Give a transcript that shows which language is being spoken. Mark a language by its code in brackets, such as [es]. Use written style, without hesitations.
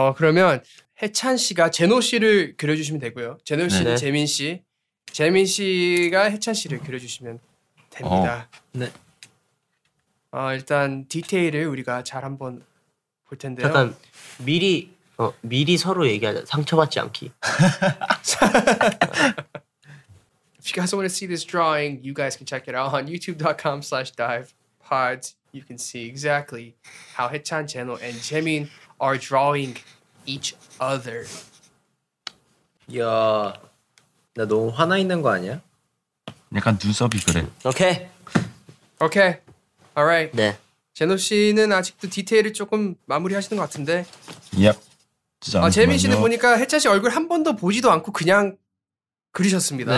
[ko] 그러면 해찬 씨가 제노 씨를 그려주시면 되고요. 제노 씨는 네. 재민 씨. 재민 씨가 해찬 씨를 그려주시면 됩니다. 네. 일단 디테일을 우리가 잘 한번 볼 텐데요. 약간 미리 서로 얘기하자. 상처받지 않기. [en] If you guys want to see this drawing, you guys can check it out on youtube.com/divepods. You can see exactly how Haechan, Jaeno, and Jaemin are drawing each other. [ko] 야, 나 너무 화나 있는 거 아니야? 약간 눈썹이 그래. 오케이. [en] Okay. 오케이. Okay. Alright. [ko] 네. 제노 씨는 아직도 디테일을 조금 마무리하시는 것 같은데. 얍. 재민 씨는 보니까 해찬 씨 얼굴 한 번도 보지도 않고 그냥 그리셨습니다.